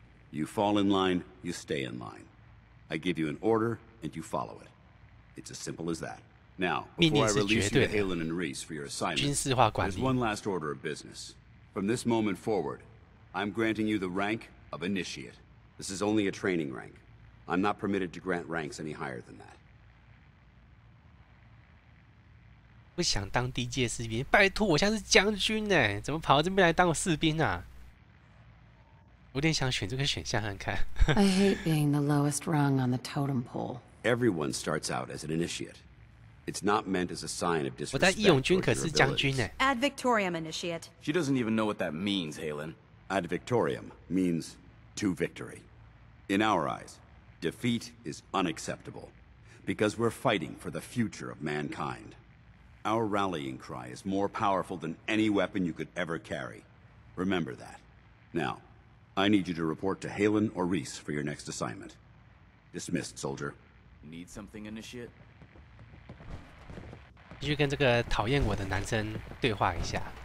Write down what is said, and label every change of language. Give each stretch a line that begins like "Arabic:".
English: You fall in line, you stay in line. I give you an order, and you follow it. It's as simple as that. Now, before I release you to Aelin and Reese for your assignment, there's one last order of business. From this moment forward, I'm granting you the rank of initiate. This is only a training rank. I'm not permitted to grant ranks any higher than that.
Chinese: 不想当低阶士兵，拜托，我现在是将军哎，怎么跑到这边来当士兵啊？有点想选这个选项看看。
English: I hate being the lowest rung on the totem pole. Everyone starts out as an initiate. It's not meant as a sign of disrespect.
Chinese: 我在义勇军可是将军哎。
Latin: Ad victoriam initiate.
English: She doesn't even know what that means, Aelin. Ad victoriam means to victory. In our eyes, defeat is unacceptable because we're fighting for the future of mankind. Our rallying cry is more powerful than any weapon you could ever carry. Remember that. Now, I need you to report to Aelin or Reese for your next assignment. Dismissed, soldier. Need something, initiate?
Chinese: 继续跟这个讨厌我的男生对话一下。